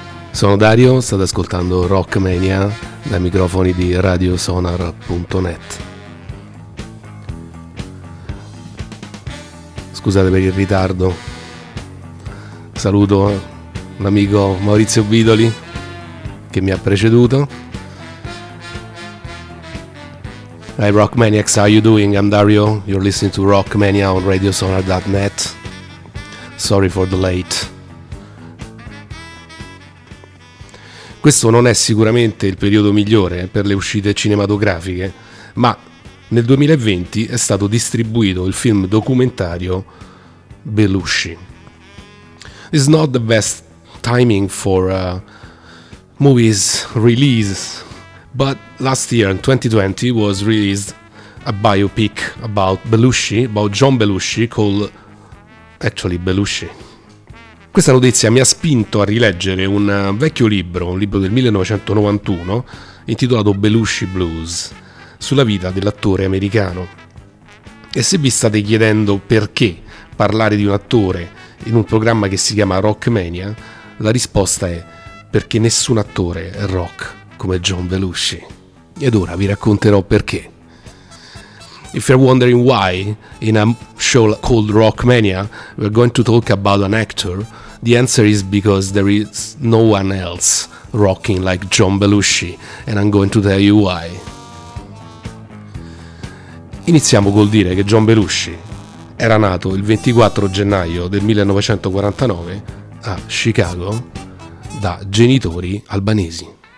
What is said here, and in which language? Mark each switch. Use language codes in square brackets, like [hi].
[it] Sono Dario, state ascoltando Rockmania dai microfoni di radiosonar.net. Scusate per il ritardo, saluto l'amico Maurizio Bidoli che mi ha preceduto. [en] Hi Rock Maniacs, how you doing? I'm Dario, you're listening to Rockmania on radiosonar.net. Sorry for the late. [it] Questo non è sicuramente il periodo migliore per le uscite cinematografiche, ma nel 2020 è stato distribuito il film documentario Belushi. [en] It's not the best timing for movies release, but last year in 2020 was released a biopic about Belushi, about John Belushi, called actually Belushi. [it] Questa notizia mi ha spinto a rileggere un vecchio libro, un libro del 1991, intitolato Belushi Blues, sulla vita dell'attore americano. E se vi state chiedendo perché parlare di un attore in un programma che si chiama Rockmania, la risposta è perché nessun attore è rock come John Belushi. Ed ora vi racconterò perché. [en] If you're wondering why, in a show called Rockmania, we're going to talk about an actor, the answer is because there is no one else rocking like John Belushi, and I'm going to tell you why. [it] Iniziamo col dire che John Belushi era nato il 24 gennaio del 1949 a Chicago da genitori albanesi.